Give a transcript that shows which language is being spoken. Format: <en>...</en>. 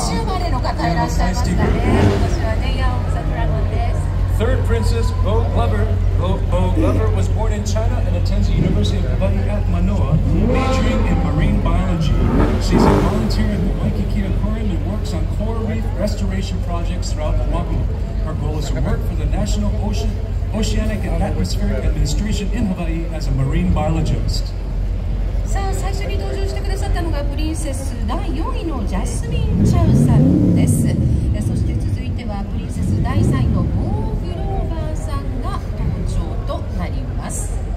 <ja>今年生まれの方いらっしゃいましたね。今年はね、ヤオムザドラゴンです。</ja> <en>Third princess, Bo Glover. Bo Glover was born in China and attends the University of Hawaii at Manoa, majoring in marine biology. She's a volunteer in the Waikiki Aquarium and works on coral reef restoration projects throughout Oahu. Her goal is to work for the National Oceanic and Atmospheric Administration in Hawaii as a marine biologist.</en> <ja>さあ最初に登場してくださったのがプリンセス第4位のジャスミン・チャウさんです。そして続いてはプリンセス第3位のボー・グローバーさんが登場となります。</ja>